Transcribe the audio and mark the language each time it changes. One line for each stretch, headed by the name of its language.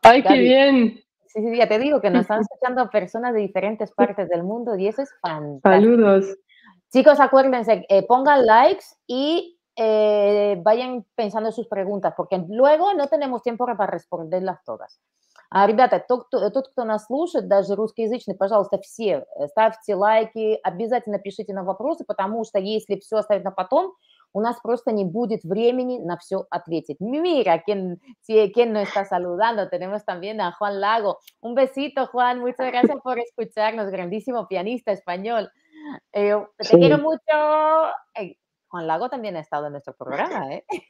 Spanish: ¡Ay, Gaby. Qué bien! Sí, sí, ya te digo que nos están escuchando personas de diferentes partes del mundo y eso es fantástico. ¡Saludos! Chicos, acuérdense, pongan likes y vayan pensando sus preguntas, porque luego no tenemos tiempo para responderlas todas.
Russian: Ребята, тот, кто нас слушает, даже русскоязычный, пожалуйста, все ставьте лайки, обязательно пишите нам вопросы, потому что если все оставить на потом, у нас просто не будет времени на все ответить.
Spanish: Mira, quién nos está saludando. Tenemos también a Juan Lago. Un besito, Juan. Muchas gracias por escucharnos. Grandísimo pianista español. Te quiero mucho. Hey, Juan Lago también ha estado en nuestro programa, ¿eh?